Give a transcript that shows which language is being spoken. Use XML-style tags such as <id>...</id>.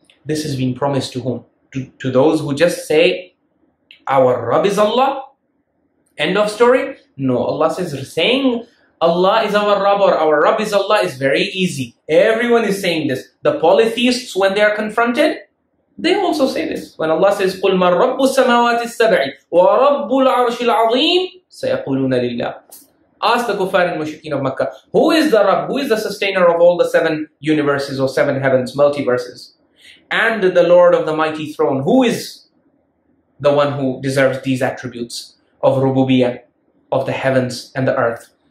<en>This has been promised to whom? To those who just say, our Rabb is Allah. End of story. No, Allah says, saying Allah is our Rabb or our Rabb is Allah is very easy. Everyone is saying this. The polytheists, when they are confronted, they also say this. When Allah says,</en> <ar>قُلْ مَا رَبُّ السَّمَاوَاتِ السَّبْعِ وَرَبُّ الْعَرْشِ الْعَظِيمِ سَيَقُولُونَ لِلَّهِ.</ar> <en>Ask the Kufar and Mushrikeen of Makkah, who is the Rabb? Who is the sustainer of all the seven universes or seven heavens, multiverses? And the Lord of the mighty throne, who is the one who deserves these attributes of rububiyyah, of the heavens and the earth?</en>